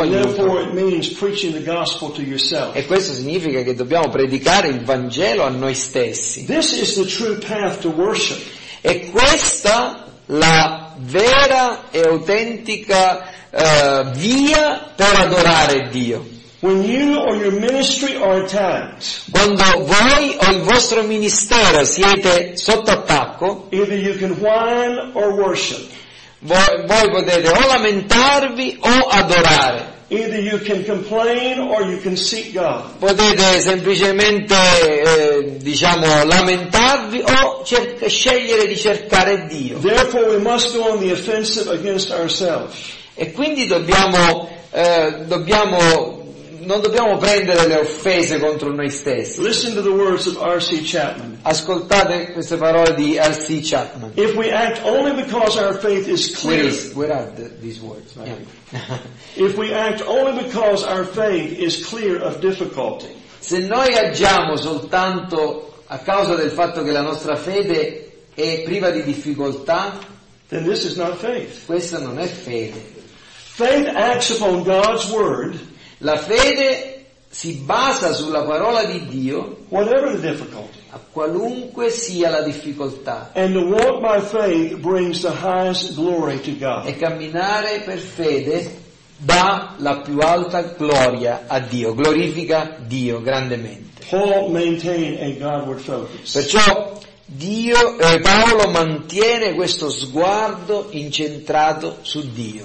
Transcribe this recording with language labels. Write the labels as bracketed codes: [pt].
[en] and [it] aiuto. [en] Therefore it means preaching the gospel to yourself. [it] E questo significa che dobbiamo predicare il Vangelo a noi stessi. [en] This is the true path to worship. [it] E questa la vera e autentica via per adorare Dio. [en] When you or your ministry are attacked, [it] quando voi o il vostro ministero siete sotto attacco, [en] either you can whine or worship. [it] Voi potete o lamentarvi o adorare. [en] Either you can complain or you can seek God. [it] Potete semplicemente lamentarvi o scegliere di cercare Dio. [en] Therefore we must go on the offensive against ourselves. [it] E quindi non dobbiamo prendere le offese contro noi stessi. [en] Listen to the words of R.C. Chapman. [it] Ascoltate queste parole di R.C. Chapman. [en] If we act only because our faith is clear. Where are these words? Right? Yeah. If we act only because our faith is clear of difficulty. [it] Se noi agiamo soltanto a causa del fatto che la nostra fede è priva di difficoltà, [en] then this is not faith. [it] Questa non è fede. [en] Faith acts upon God's word. [it] La fede si basa sulla parola di Dio, [en] whatever the difficulty, [it] a qualunque sia la difficoltà. [en] And to walk by faith brings the highest glory to God. [it] E camminare per fede dà la più alta gloria a Dio, glorifica Dio grandemente. [en] Paul maintained a Godward focus. [it] Perciò Dio, Paolo mantiene questo sguardo incentrato su Dio.